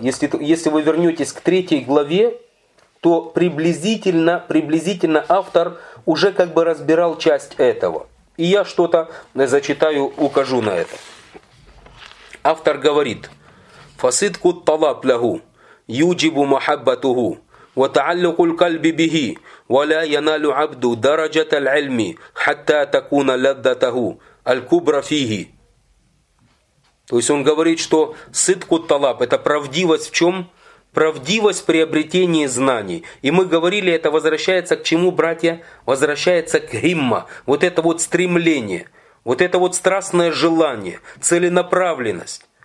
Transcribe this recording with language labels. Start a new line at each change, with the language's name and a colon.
Russian: Если вы вернетесь к третьей главе, то приблизительно автор уже как бы разбирал часть этого. И я что-то зачитаю, укажу на это. Автор говорит:
Arabic: «Фасидку талаб лягу, юджибу махаббатугу». وتعلق القلب به ولا ينال عبد درجة العلم حتى تكون لذته الكبرى فيه.
Russian: То есть он говорит, что сидку талаб – это правдивость в чем? Правдивость приобретения знаний. И мы говорили, это возвращается к чему, братья? Возвращается к гимма. Вот это вот стремление, вот это вот страстное желание, целенаправленность.